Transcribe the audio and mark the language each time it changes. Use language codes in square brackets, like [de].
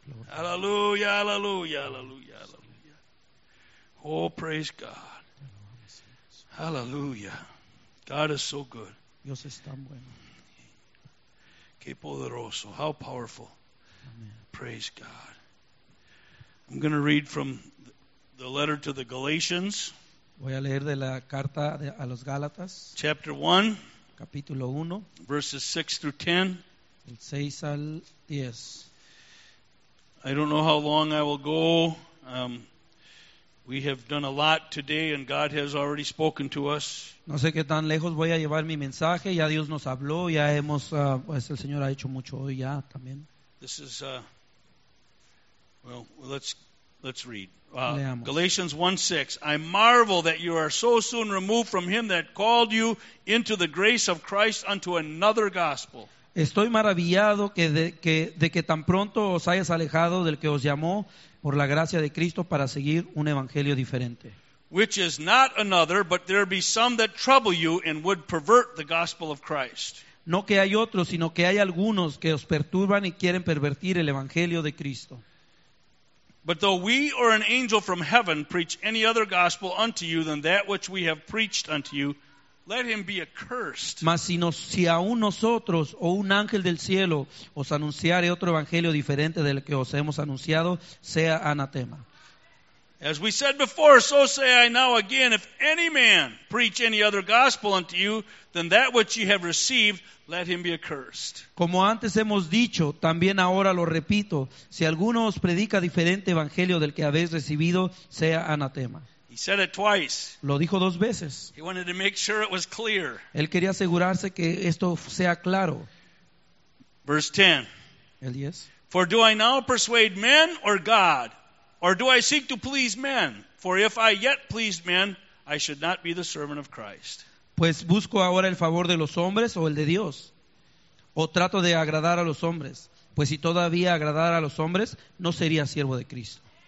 [en] Hallelujah, hallelujah, hallelujah, hallelujah. Oh, praise God. Hallelujah. God is so good. [es] Dios es tan bueno. [en] Qué poderoso. How powerful. Amen. Praise God. I'm going to read from the letter to the Galatians. [es] Voy a leer de la carta de, a los Gálatas. [en] Chapter 1. [es] Capítulo 1. [en] Verses 6 through 10. [es] El 6 al 10. [en] I don't know how long I will go. We have done a lot today and God has already spoken to us. [es] No sé qué tan lejos voy a llevar mi mensaje. Ya Dios nos habló. Ya hemos, pues el Señor ha hecho mucho hoy ya también. [en] This is, let's read. Galatians 1:6. I marvel that you are so soon removed from him that called you into the grace of Christ unto another gospel. [es] Estoy maravillado que tan pronto os hayas alejado del que os llamó por la gracia de Cristo para seguir un evangelio diferente. [en] Which is not another, but there be some that trouble you and would pervert the gospel of Christ. [es] No que hay otros, sino que hay algunos que os perturban y quieren pervertir el evangelio de Cristo. [en] But though we or an angel from heaven preach any other gospel unto you than that which we have preached unto you, let him be accursed. [es] Mas si aún nosotros o un ángel del cielo os anunciare otro evangelio diferente del que os hemos anunciado, sea anatema. [en] As we said before, so say I now again, if any man preach any other gospel unto you than that which ye have received, let him be accursed. [es] Como antes hemos dicho, también ahora lo repito, si alguno os predica diferente evangelio del que habéis recibido, sea anatema. [en] He said it twice. [es] Lo dijo dos veces. [en] He wanted to make sure it was clear. [es] Él quería asegurarse que esto sea claro. [en] Verse 10. [es] El 10. [en] For do I now persuade men or God? Or do I seek to please men? For if I yet pleased men, I should not be the servant of Christ. [es] Pues busco ahora el favor de los hombres o el de Dios. O trato de agradar a los hombres. Pues si todavía agradara a los hombres, no sería siervo de Cristo.